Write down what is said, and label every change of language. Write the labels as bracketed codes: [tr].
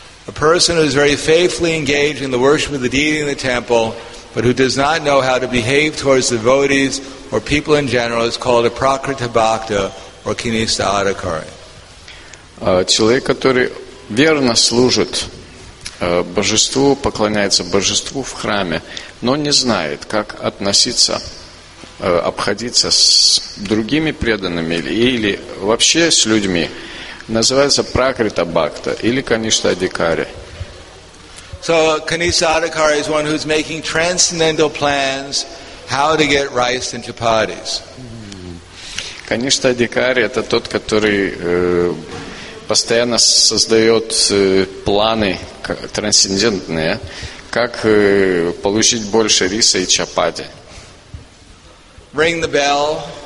[en] A person who is very faithfully engaged in the worship of the deity in the temple, but who does not know how to behave towards devotees or people in general is called a Prakrita Bhakta or Kanishtha Adhikari. [ru] Человек, который верно служит божеству, поклоняется божеству в храме, но не знает, как относиться, обходиться с другими преданными или вообще с людьми, называется Пракрита Бхакта или Каништа Адхикари. [en] So Kanishtha Adhikari is one who's making transcendental plans how to get rice and chapatis. [ru] Каништа Адхикари это тот, который постоянно создает планы трансцендентные, как получить больше риса и чапати. [en] Ring the bell.